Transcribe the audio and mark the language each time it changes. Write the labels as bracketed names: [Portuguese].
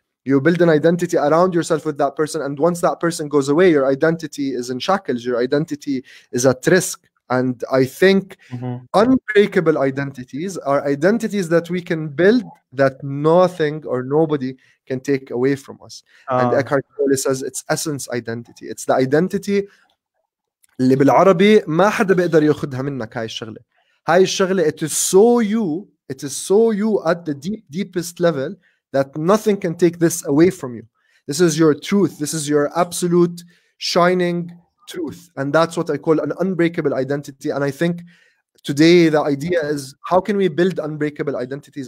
[English] You build an identity around yourself with that person. And once that person goes away, your identity is in shackles. Your identity is at risk. And I think unbreakable identities are identities that we can build that nothing or nobody can take away from us. And Eckhart Tolle says it's essence identity. It's the identity [Arabic] اللي بالعربي ما حدا بيقدر ياخدها منك هاي الشغلة. هاي الشغلة, [English] it is so you. It is so you at the deepest level that nothing can take this away from you. This is your truth. This is your absolute shining truth. And that's what I call an unbreakable identity. And I think today the idea is, how can we build unbreakable identities?